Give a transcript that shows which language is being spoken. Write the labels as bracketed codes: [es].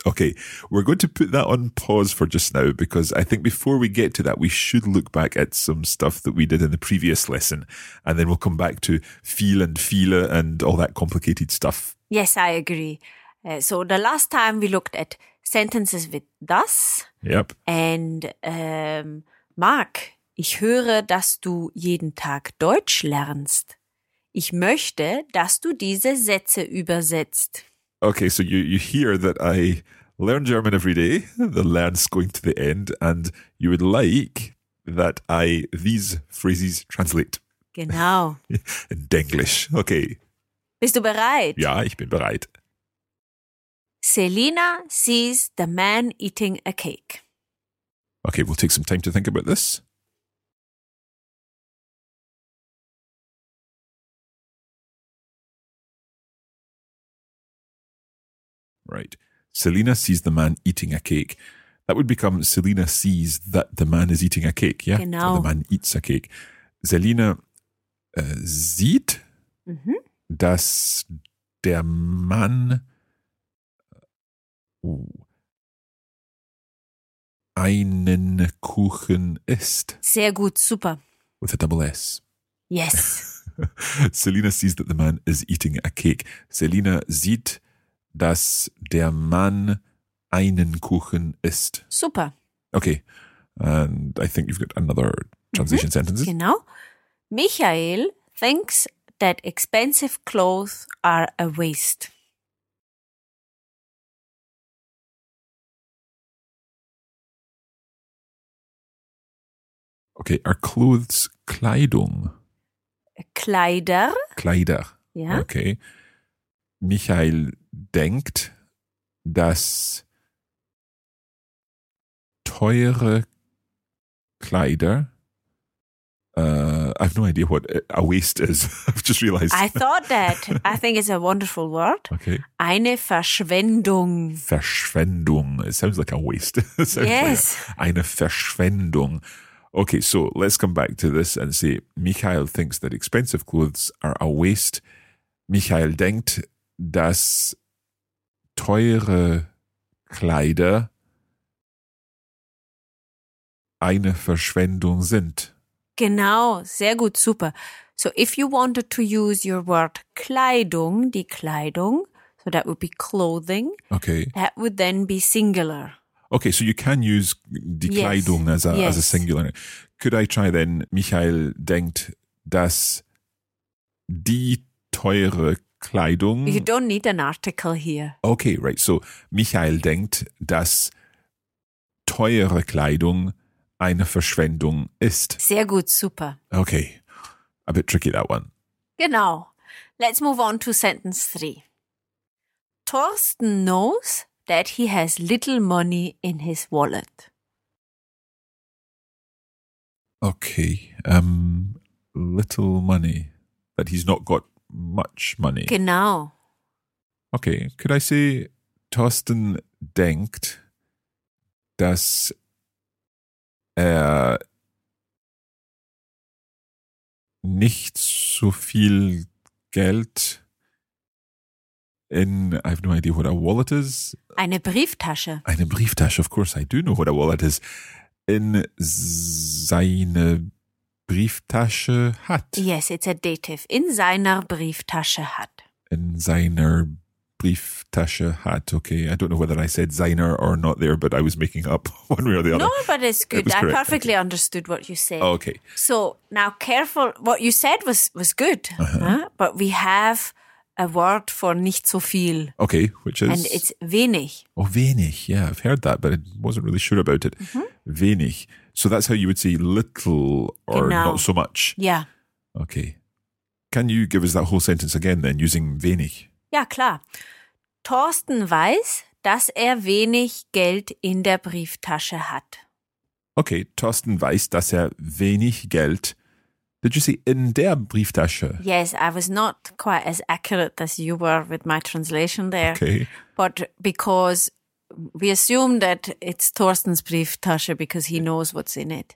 [en] Okay, we're going to put that on pause for just now because I think before we get to that, we should look back at some stuff that we did in the previous lesson and then we'll come back to viel and viele and all that complicated stuff. Yes, I agree. So the last time we looked at sentences with das. Yep. And Mark. [de] Ich höre, dass du jeden Tag Deutsch lernst. Ich möchte, dass du diese Sätze übersetzt. [en] Okay, so you hear that I learn German every day. The learn's going to the end. And you would like that I these phrases translate. [de] Genau. [en] In Denglish. Okay. [de] Bist du bereit? Ja, ich bin bereit. [en] Selina sees the man eating a cake. Okay, we'll take some time to think about this. Right. Selina sees the man eating a cake. That would become Selina sees that the man is eating a cake. Yeah. [de] Genau. [en] The man eats a cake. [de] Selina sieht, dass der Mann einen Kuchen isst. Sehr gut. Super. [en] With a double S. Yes. Selina sees that the man is eating a cake. [de] Selina sieht, dass der Mann einen Kuchen isst. Super. [en] Okay, and I think you've got another transition sentence. [de] Genau. [en] Michael thinks that expensive clothes are a waste. Okay, are clothes Kleidung? [de] Kleider. Kleider. Ja. [en] Okay. [de] Michael denkt, dass teure Kleider, [en] I have no idea what a waste is. I've just realized. I thought that. I think it's a wonderful word. Okay. [de] Eine Verschwendung. [en] Verschwendung. It sounds like a waste. Yes. [de] Like eine Verschwendung. [en] Okay, so let's come back to this and say, Michael thinks that expensive clothes are a waste. [de] Michael denkt, dass teure Kleider eine Verschwendung sind. Genau, sehr gut, super. [en] So if you wanted to use your word Kleidung, [de] die Kleidung, [en] so that would be clothing, okay, that would then be singular. Okay, so you can use die Kleidung, yes, as a singular. Could I try then, [de] Michael denkt, dass die teure Kleidung. [en] You don't need an article here. Okay, right. [de] So, Michael denkt, dass teure Kleidung eine Verschwendung ist. Sehr gut, super. [en] Okay. A bit tricky, that one. [de] Genau. [en] Let's move on to sentence 3. Thorsten knows that he has little money in his wallet. Okay. Little money. That he's not got much money. [de] Genau. [en] Okay. Could I say, [de] Thorsten denkt, dass er nicht so viel Geld in, [en] I have no idea what a wallet is. [de] Eine Brieftasche. Eine Brieftasche, [en] of course, I do know what a wallet is. [de] In seine Brieftasche hat. [en] Yes, it's a dative. [de] In seiner Brieftasche hat. In seiner Brieftasche hat, okay. [en] I don't know whether I said seiner or not there, but I was making up one way or the other. No, but it's good. It I perfectly okay. understood what you said. Oh, okay. So now careful. What you said was good, huh? But we have a word for nicht so viel. Okay, which is? And it's wenig. Oh, wenig. Yeah, I've heard that, but I wasn't really sure about it. Mm-hmm. Wenig. So that's how you would say little or genau. Not so much. Yeah. Okay. Can you give us that whole sentence again then, using wenig? [de] Ja, klar. Thorsten weiß, dass er wenig Geld in der Brieftasche hat. Okay, Thorsten weiß, dass er wenig Geld. [en] Did you say [de] in der Brieftasche? [en] Yes, I was not quite as accurate as you were with my translation there. Okay. But because we assume that it's Thorsten's Brieftasche because he knows what's in it.